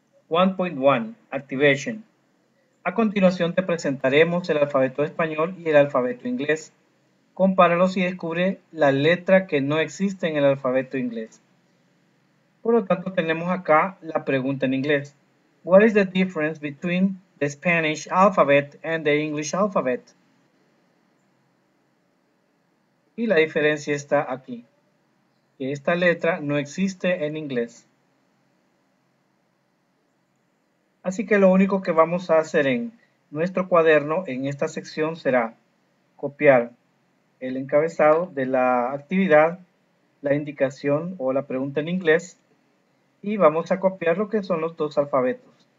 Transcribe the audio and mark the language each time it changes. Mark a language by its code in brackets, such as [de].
[es] 1.1, activation. A continuación te presentaremos el alfabeto español y el alfabeto inglés. Compáralos y descubre la letra que no existe en el alfabeto inglés. Por lo tanto, tenemos acá la pregunta en inglés. [en] What is the difference between the Spanish alphabet and the English alphabet? [es] Y la diferencia está aquí, que esta letra no existe en inglés. Así que lo único que vamos a hacer en nuestro cuaderno, en esta sección, será copiar el encabezado de la actividad, la indicación o la pregunta en inglés, y vamos a copiar lo que son los dos alfabetos.